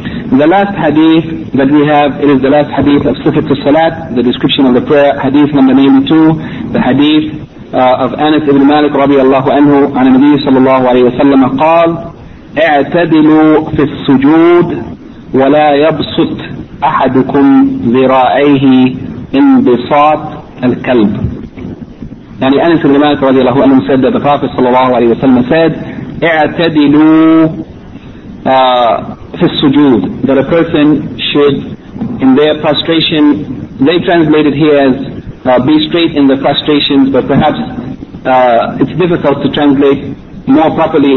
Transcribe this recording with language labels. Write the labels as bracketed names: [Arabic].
[English] The last hadith that we have, it is the last hadith of Sifat al-Salat, the description of the prayer, hadith number 92, the hadith of Anas ibn Malik radiallahu anhu, an Nabi sallallahu alayhi wa sallam, qal, [Arabic] اعتدلوا في السجود ولا يبسط أحدكم ذراعيه انبساط الكلب. يعني أنس بن مالك رضي الله عنه [English] said that the Prophet [Arabic] صلى الله عليه وسلم said اعتدلوا [English] في السجود, that a person should, in their prostration, they translate it here as be straight in the prostrations, but perhaps it's difficult to translate more properly.